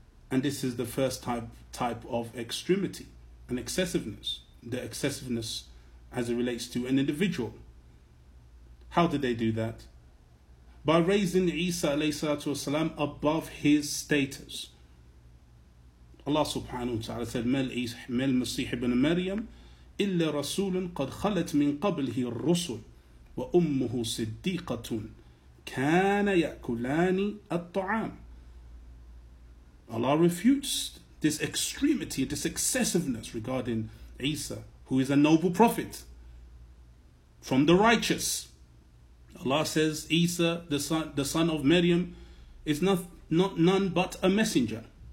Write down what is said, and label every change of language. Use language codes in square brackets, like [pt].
[en] And this is the first type of extremity and excessiveness. The excessiveness as it relates to an individual. How did they do that? By raising Isa, alayhi salatu wasalam, above his status. Allah subhanahu wa ta'ala said, [ar] مَلْ مَسِيحِ ibn مَرْيَمْ إِلَّا رَسُولٌ قَدْ خَلَتْ مِنْ قَبْلِهِ الرُّسُلُ وَأُمُّهُ صِدِّيقَةٌ كَانَ يَأْكُلَانِ الطَّعَامِ. [en] Allah refutes this extremity, this excessiveness regarding Isa, who is a noble prophet from the righteous. Allah says, Isa, the son of Maryam, is not none but a messenger.